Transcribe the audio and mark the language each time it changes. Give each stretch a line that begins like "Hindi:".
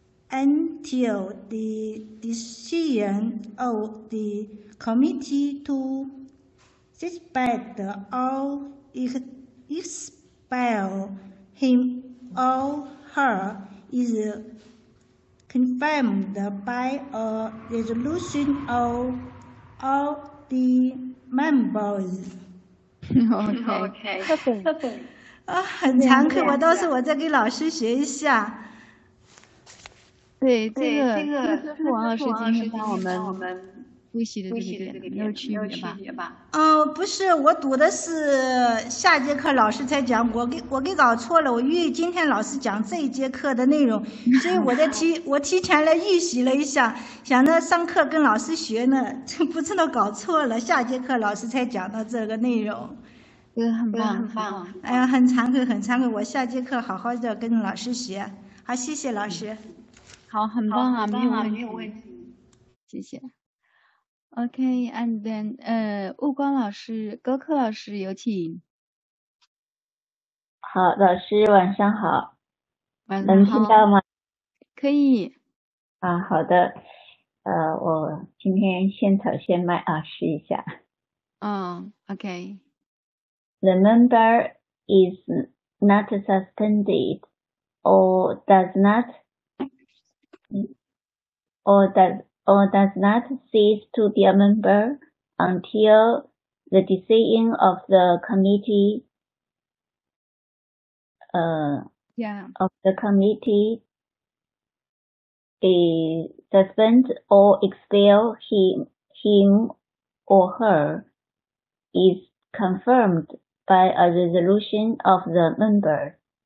English: Until the decision of the committee to suspend or expel him or her is confirmed by a resolution of all the members. Okay.
Chinese: 啊，很惭愧，我到时候我再给老师学一下。对，这个是王老师今天帮我们复习的个点，没有区别吧？哦，不是，我读的是下节课老师才讲，我给搞错了，我预今天老师讲这一节课的内容，所以我提前来预习了一下，想着上课跟老师学呢，就不知道搞错了，下节课老师才讲到这个内容。这个很棒，很棒。哎呀，很惭愧，很惭愧，我下节课好好的跟老师学。好，谢谢老师。好，很棒啊，棒啊，没有问题，谢谢。OK，
English: and then，
Chinese: 悟光老师、高克老师有请。好，老师晚上好。晚能听到吗？可以。啊，好的。我今天先草先麦啊，试一下。嗯、OK。
English: The member is not suspended or does not. Or does not cease to be a member until the decision of the committee, of the committee suspend or expel him or her is confirmed by a resolution of the member.